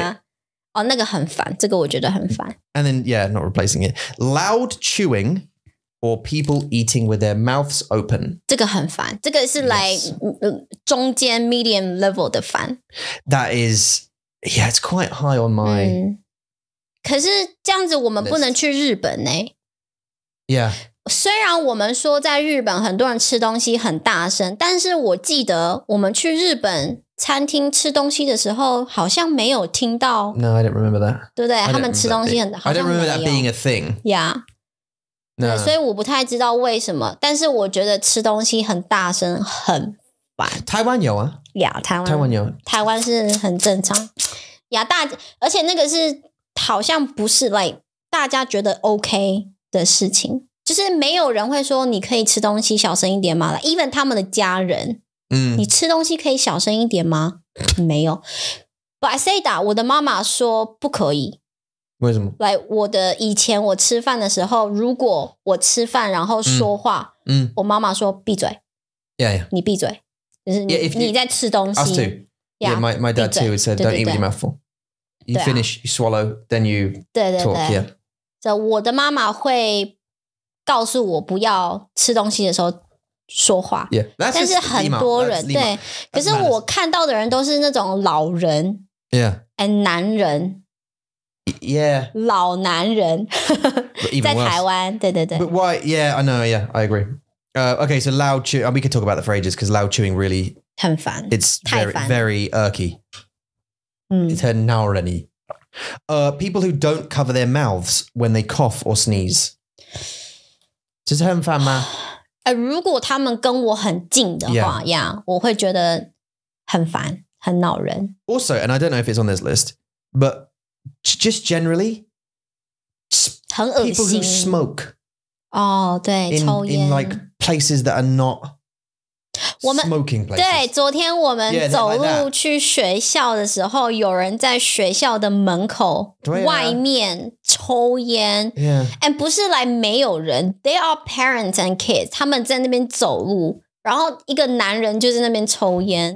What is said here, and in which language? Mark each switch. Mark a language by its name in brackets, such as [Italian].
[Chinese] Yeah. Oh, 那个很烦,这个我觉得很烦。 [English] And then, yeah, not replacing it. Loud chewing. Or people eating with their mouths open. [Chinese] 这个很烦。这个是 like、yes. 中间 medium level 的烦。 [English] That is, yeah, it's quite high on my... [Chinese] 可是这样子我们不能去日本呢。 [English] Yeah. [Chinese] 虽然我们说在日本很多人吃东西很大声，但是我记得我们去日本餐厅吃东西的时候好像没有听到。 [English] No, I don't remember that. [Chinese] 对不对？他们吃东西很 [English] 大声。I don't remember that being a thing. Yeah. No. [Chinese] 所以我不太知道为什么，但是我觉得吃东西很大声很烦。台湾有啊，呀、yeah, ，台湾有，台湾是很正常。呀、yeah, ，大，而且那个是好像不是 like 大家觉得 OK 的事情，就是没有人会说你可以吃东西小声一点吗 ？Even 他们的家人，嗯，你吃东西可以小声一点吗？没有。 [English] But I say that [Chinese] 我的妈妈说不可以。为什么 like, 我的以前我吃饭的时候如果我吃饭然后说话、嗯、我妈妈说闭嘴 [English] yeah, yeah. [Chinese] 你闭嘴、就是 [English] yeah, if you, [Chinese] 你在吃东西 [English] us too yeah, yeah, my dad too would say don't eat with your mouth full you finish you swallow then you [Chinese] 对对对 [English] talk yeah. [Chinese] So 我的妈妈会告诉我不要吃东西的时候说话 [English] yeah, that's [Chinese] 但是很多人 lima, 对可是我看到的人都是那种老人 [English] yeah. [Chinese] and 男人 [English] Yeah. [Chinese] 老男人在台湾对对对 [English] But why, yeah, I know, yeah, I agree. Okay, so loud chewing, and we could talk about that for ages, because loud chewing really... [Chinese] 很烦 [English] It's very, very irky.、嗯、 it's 很 Nǎo Rén. People who don't cover their mouths when they cough or sneeze. [Chinese] 这是很烦吗如果他们跟我很近的话 yeah. [English] yeah, [Chinese] 我会觉得很烦很 Nǎo Rén. [English] Also, and I don't know if it's on this list, but... Just generally, people who smoke. [Chinese] Oh, 对，抽烟 [English] in like places that are not smoking places. [Chinese] 对，昨天我们走路去学校的时候，有人在学校的门口外面抽烟。 [English] Yeah, and [Chinese] 不是来没有人 [English] ，they are parents and kids. [Chinese] 他们在那边走路，然后一个男人就在那边抽烟。